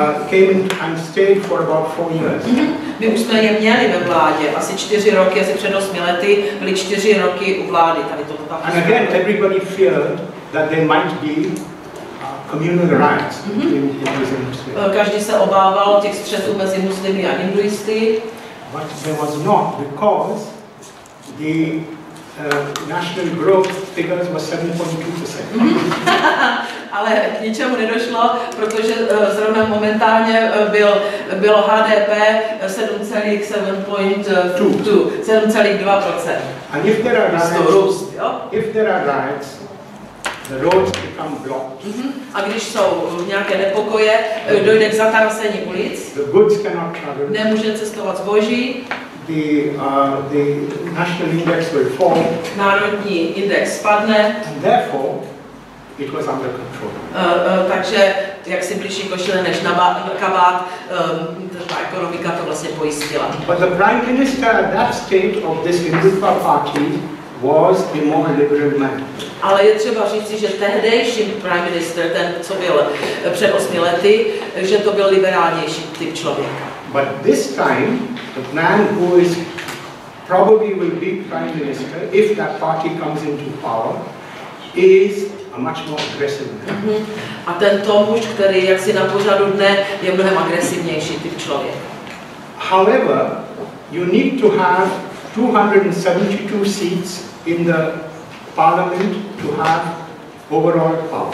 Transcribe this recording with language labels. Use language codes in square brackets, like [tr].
[en] Came and stayed for about 4 years. [cs] My už jsme je měli ve vládě asi 4 roky, asi před 8 lety byly 4 roky u vlády tady toto tak. [en] And again, everybody feared that there might be communal riots between Hindus and Muslims. [cs] Každý se obával těch střetů mezi muslimy a hinduisty. [en] But there was not, because the national growth figures were 7.2%. [cs] Ale k ničemu nedošlo, protože zrovna momentálně bylo HDP 7.2%. [en] And if there are riots, if there are riots, the roads become blocked. [cs] Mm-hmm. A když jsou nějaké nepokoje, dojde k zatarasení ulic. [en] The goods cannot travel. [cs] Nemůže cestovat zboží. [en] The national index will fall. [cs] Národní index spadne. [en] And therefore, It was under control. [cs] Takže jak si blíží košile než na kabát, ta ekonomika to vlastně pojistila. [en] But the prime minister at that stage of this Hindutva party was a more liberal man. [cs] Ale je třeba říci, že tehdejší prime minister, ten co byl před 8 lety, že to byl liberálnější typ člověka. [en] But this time, the man who is probably will be prime minister if that party comes into power is a much more aggressive man. Mm-hmm. [cs] A tento muž, který jaksi na pořadu dne, je mnohem agresivnější typ člověk. [en] However, you need to have 272 seats in the parliament to have overall power.